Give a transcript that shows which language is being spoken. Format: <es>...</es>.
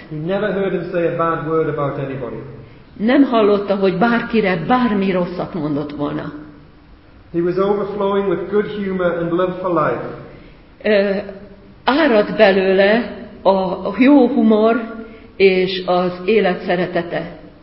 <en>He never heard him say a bad word about anybody.</en> <hu>Nem hallotta, hogy bárkire bármi rosszat mondott volna.</hu> <en>He was overflowing with good humor and love for life.</en> <hu>Árad belőle a jó humor és az élet szeretete.</hu>